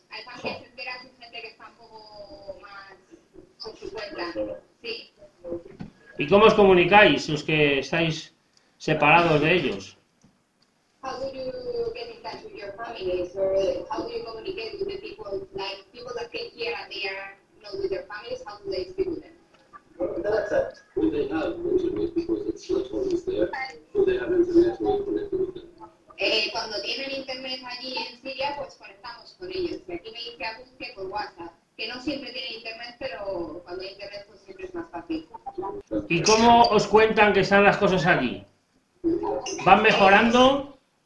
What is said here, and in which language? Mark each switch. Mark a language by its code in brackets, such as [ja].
[es] Hay familias enteras y gente que está un poco más con su cuenta. Sí. ¿Y cómo os comunicáis los que estáis separados de ellos? [en] how do you get in touch with your families, or how do you communicate with the people, like people that came here and they are not with their families, how do they speak with them? Well, that's it. Do they have internet, because it's not always there? Do they have internet to connect with them? [es] Cuando tienen internet allí en Siria, pues conectamos con ellos. Y aquí me dice a Busque por WhatsApp, que no siempre tiene internet, pero cuando hay internet pues siempre es más fácil. ¿Y cómo os cuentan que están las cosas allí? ¿Van mejorando?